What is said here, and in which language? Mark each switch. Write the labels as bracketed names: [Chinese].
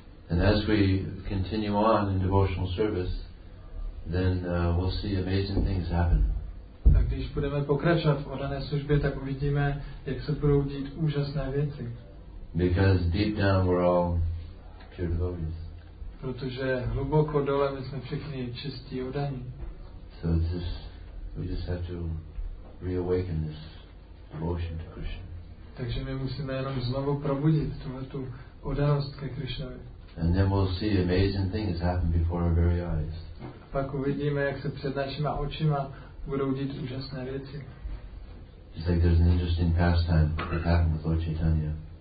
[English] And as we continue on in devotional service, then we'll see amazing things happen. [Czech] Tak když budeme pokračovat v oddané službě, tak uvidíme, jak se budou dít úžasné věci. [English] Because deep down we're all pure devotees. [Czech] Protože hluboko dole my jsme všichni čistí oddaní. [English] So we just have to reawaken this devotion to Krishna. [Czech] Takže my musíme jenom znovu probudit tuhle tu oddanost ke Krišnovi. [English] And then we'll see amazing things happen before our very eyes. [Czech] Pak uvidíme, jak se před našima očima budou dít úžasné věci. [English] It's like there's an interesting pastime that happened with Lord Chaitanya.